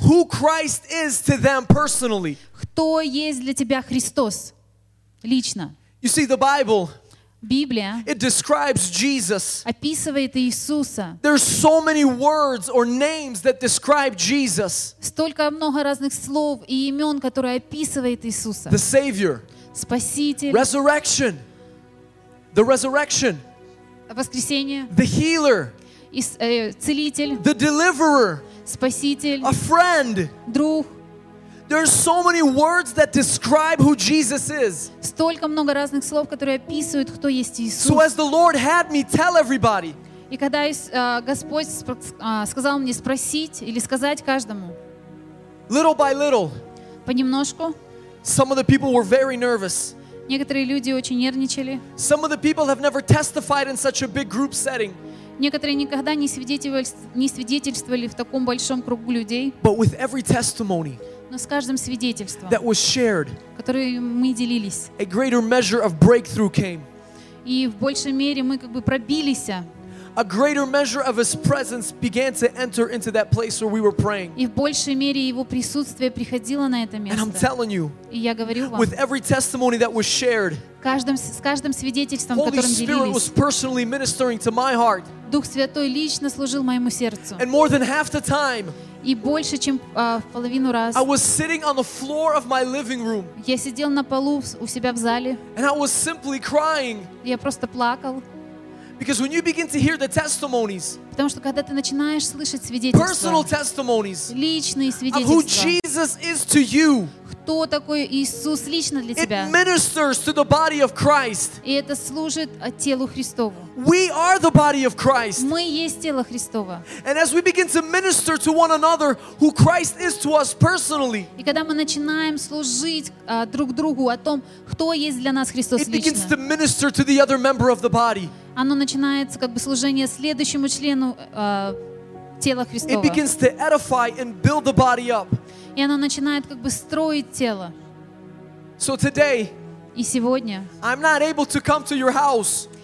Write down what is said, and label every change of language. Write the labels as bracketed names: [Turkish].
[English] Who Christ is to them personally? [Russian] Кто есть для тебя Христос лично? [English] You see the Bible. [Russian] Библия. [English] It describes Jesus. [Russian] Описывает Иисуса. [English] There's so many words or names that describe Jesus. [Russian] Столько много разных слов и имен, которые описывают Иисуса. [English] The Savior. [Russian] Спаситель. [English] Resurrection. The resurrection. [Russian] Воскресение. [English] The healer. [Russian] Целитель. [English] The deliverer. [Russian] Спаситель, [English] a friend. [Russian] Друг. [English] There are so many words that describe who Jesus is. [Russian] Столько много разных слов, которые описывают, кто есть Иисус. [English] So as the Lord had me tell everybody. [Russian] И когда Господь сказал мне спросить или сказать каждому. [English] Little by little. [Russian] Понемножку. [English] Some of the people were very nervous. [Russian] Некоторые люди очень нервничали. [English] Some of the people have never testified in such a big group setting. [Russian] Некоторые никогда не свидетельствовали в таком большом кругу людей. [English] But with every testimony. [Russian] Но с каждым свидетельством. [English] That was shared. [Russian] Которые мы делились. [English] A greater measure of breakthrough came. [Russian] И в большей мере мы как бы пробились. [English] A greater measure of His presence began to enter into that place where we were praying. [Russian] И в большей мере Его присутствие приходило на это место. [English] And I'm telling you, [Russian] и я говорю вам, [English] with every testimony that was shared, [Russian] с каждым свидетельством, которым делились, [English] Holy Spirit was personally ministering to my heart. [Russian] Дух Святой лично служил моему сердцу. [English] And more than half the time, [Russian] и больше чем половину раз, [English] I was sitting on the floor of my living room. [Russian] Я сидел на полу у себя в зале. [English] And I was simply crying. [Russian] Я просто плакал. [English] Because when you begin to hear the testimonies, [Russian] потому что когда ты начинаешь слышать свидетельства, [English] personal testimonies, [Russian] личные свидетельства, [English] of who Jesus is to you, [Russian] кто такой Иисус лично для тебя, [English] it ministers to the body of Christ. [Russian] И это служит телу Христову. [English] We are the body of Christ. [Russian] Мы есть тело Христово. [English] And as we begin to minister to one another, who Christ is to us personally, [Russian] и когда мы начинаем служить друг другу о том, кто есть для нас Христос лично, [English] it begins to minister to the other member of the body. [Russian] Оно начинается как бы служение следующему члену тела Христова. [English] It begins to edify and build the body up. [Russian] И оно начинает как бы строить тело. [English] So today, [Russian] и сегодня, [English] I'm not able to come to your house,